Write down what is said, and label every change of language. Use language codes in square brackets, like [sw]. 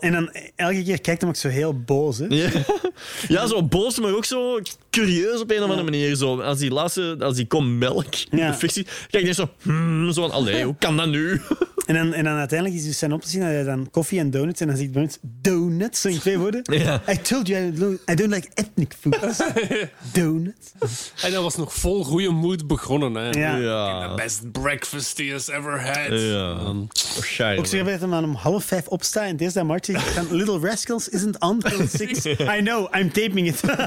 [nl] En dan elke keer kijkt hem ook zo heel boos, hè? Ja, zo boos, maar ook zo curieus op een of andere manier. Zo, als die laatste, als die kom melk in de fictie, kijk hij zo, zo van, allee, hoe kan dat nu? En dan uiteindelijk is het zijn op te zien dat hij dan koffie en donuts, en dan ziet Burns donuts, in twee woorden. Ja. [en] I told you I don't like ethnic foods. [nl] Donuts. En dat was nog vol goede moed begonnen, hè. Ja. Ja. [en] The best breakfast he has ever had. [nl] Ja. Oh, shy, ook zeggen dat hij dan om 4:30 opstaat en deze dag Marty van Little Rascals [en] isn't on till 6. I know, I'm taping it.